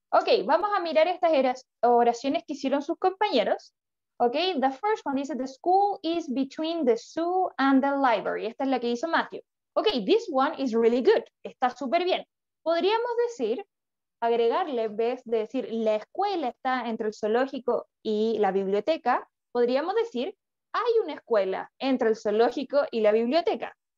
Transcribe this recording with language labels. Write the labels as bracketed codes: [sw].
[es] Ok, vamos a mirar estas oraciones que hicieron sus compañeros. [en] Ok, the first one dice, the school is between the zoo and the library. [es] Esta es la que hizo Matthew. Ok, [en] this one is really good. [es] Está súper bien. Podríamos decir, agregarle, en vez de decir, la escuela está entre el zoológico y la biblioteca, podríamos decir, hay una escuela entre el zoológico y la biblioteca.